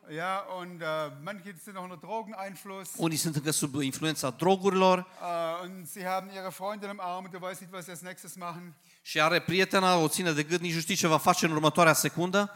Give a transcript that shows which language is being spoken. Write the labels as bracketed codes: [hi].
[de] Ja, und manche sind noch unter Drogeneinfluss. [ro] Unii sunt încă sub influența drogurilor. [de] Und sie haben ihre Freundin im Arm, du weißt nicht, was sie als nächstes machen. [ro] Și are prietena, o ține de gât, nici nu știe ce va face în următoarea secundă.